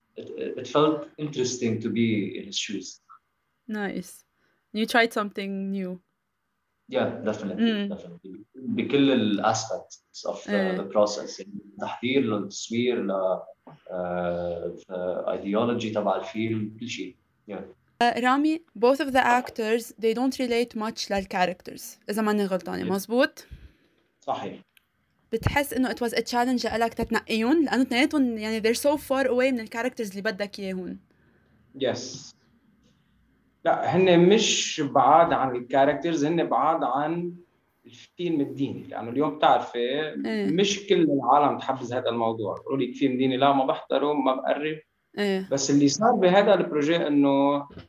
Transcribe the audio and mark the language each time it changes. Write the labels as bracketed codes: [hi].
[en] it felt interesting to be in his shoes. Nice. You tried something new. Yeah, definitely. [ar] بكل الأسبكتس [en] of the process. [ar] تحضير للتصوير ل [en] the ideology [ar] تبع الفيلم كل شيء. [en] Rami, both of the actors, they don't relate much to the characters. [ar] إذا ماني غلطانة مزبوط. صحيح. بتحس إنه [en] it was a challenge [ar] لألك تتنقيهم لأنه تنقيتهم يعني [en] they're so far away [ar] من الكاركترز اللي بدك إياهم. [en] Yes. [ar] لا هن مش بعاد عن الكاركترز هن بعاد عن الفيلم الديني لأنه يعني اليوم بتعرفي مش كل العالم تحبز هذا الموضوع قولي فيلم ديني لا ما بحضره ما بقرب بس اللي صار بهذا البروجي إنه